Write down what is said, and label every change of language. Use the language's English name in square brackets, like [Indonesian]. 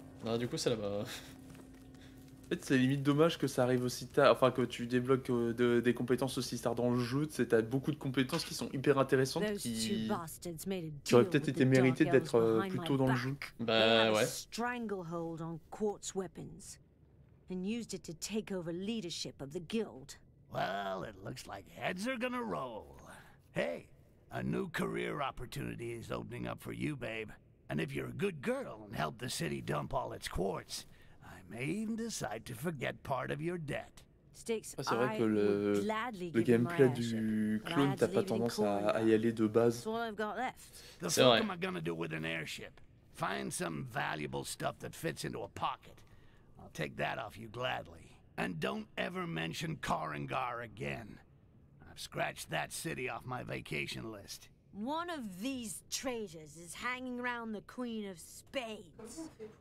[French] Ah, du coup, c'est là-bas. En fait, c'est limite dommage que ça arrive aussi tard. Enfin, que tu débloques des compétences aussi tard dans le jeu. C'est, t'as beaucoup de compétences qui sont hyper intéressantes qui auraient peut-être été méritées d'être plus tôt dans le jeu. Bah ouais. [English] Stranglehold on quartz weapons and used it to take over leadership of the guild. Well, it looks like heads are gonna roll. Hey, a new career opportunity is opening up for you, babe. And if you're a good girl and help the city dump all its quartz, I may even decide to forget part of your debt. [French] Ah, c'est vrai que le gameplay du clone, t'as pas tendance à y aller de base. C'est vrai. [English] What am I gonna do with an airship? Find some valuable stuff that fits into a pocket. I'll take that off you gladly. And don't ever mention Karangar again. I've scratched that city off my vacation list. One of these traitors is hanging around the Queen of Spades.